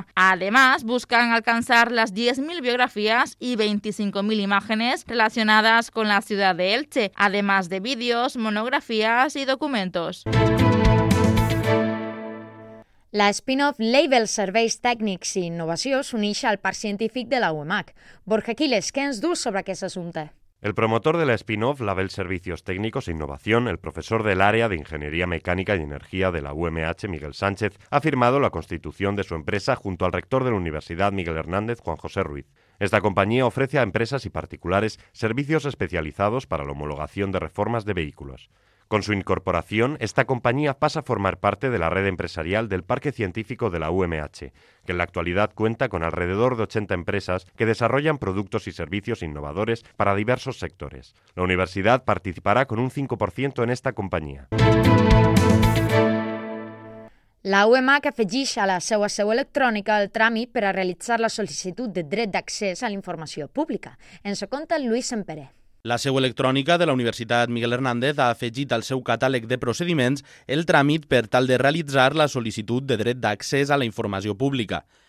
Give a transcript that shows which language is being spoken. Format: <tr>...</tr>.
<es>Además, buscan alcanzar las 10.000 biografías y 25.000 imágenes relacionadas con la ciudad de Elche, además de vídeos, monografías y documentos.</es> <ca>La spin-off Label Serveis Tècnics i Innovació s'uneix al Parc Científic de la UMH. Borja Quiles, què ens dius sobre aquest assumpte?</ca> <es>El promotor de la spin-off Label Servicios Técnicos e Innovación, el profesor del área de Ingeniería Mecánica y Energía de la UMH, Miguel Sánchez, ha firmado la constitución de su empresa junto al rector de la Universidad Miguel Hernández, Juan José Ruiz. Esta compañía ofrece a empresas y particulares servicios especializados para la homologación de reformas de vehículos. Con su incorporación, esta compañía pasa a formar parte de la red empresarial del Parque Científico de la UMH, que en la actualidad cuenta con alrededor de 80 empresas que desarrollan productos y servicios innovadores para diversos sectores. La universidad participará con un 5% en esta compañía.</es> <ca>La UMH afegeix a la seva seu electrònica el tràmit per a realitzar la sol·licitud de dret d'accés a la informació pública. Ens ho conta Lluís Sempere. La seu electrònica de la Universitat Miguel Hernández ha afegit al seu catàleg de procediments el tràmit per tal de realitzar la sol·licitud de dret d'accés a la informació pública.</ca>